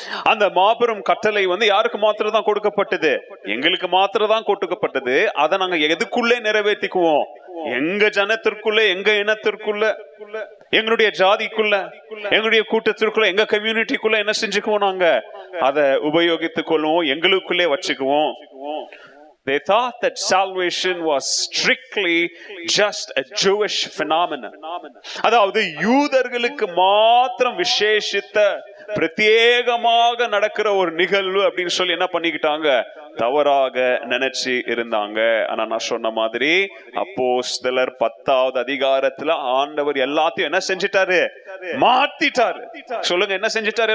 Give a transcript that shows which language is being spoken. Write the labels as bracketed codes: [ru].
[ta] அந்த மாபெரும் கட்டளை வந்து யாருக்கு மாத்திரம்தான் கொடுக்கப்பட்டது? எங்களுக்கு மாத்திரம்தான் கொடுக்கப்பட்டது. அதை நாங்க எதுக்குள்ளே நிறைவேற்றிக்குவோம்? எங்க ஜனத்திற்குள்ள, எங்க இனத்திற்குள்ள, எங்களுடைய ஜாதிக்குள்ள, எங்களுடைய கூட்டத்திற்குள்ள, எங்க கம்யூனிட்டிக்குள்ள என்ன செஞ்சுக்குவோம், நாங்க அதை உபயோகித்துக் கொள்வோம், எங்களுக்குள்ளே வச்சுக்குவோம். [en] They thought that salvation was strictly just a Jewish phenomenon. [ta] அதாவது யூதர்களுக்கு மாத்திரம் விசேஷித்த, பிரத்யேகமாக நடக்கிற ஒரு நிகழ்வு அப்படின்னு சொல்லி என்ன பண்ணிக்கிட்டாங்க, தவறாக நினைச்சு இருந்தாங்க. ஆனா நான் சொன்ன மாதிரி அப்போஸ்தலர் 10வது அதிகாரத்துல ஆண்டவர் எல்லாத்தையும் என்ன செஞ்சிட்டாரு? மாத்திட்டாரு. சொல்லுங்க, என்ன செஞ்சிட்டாரு?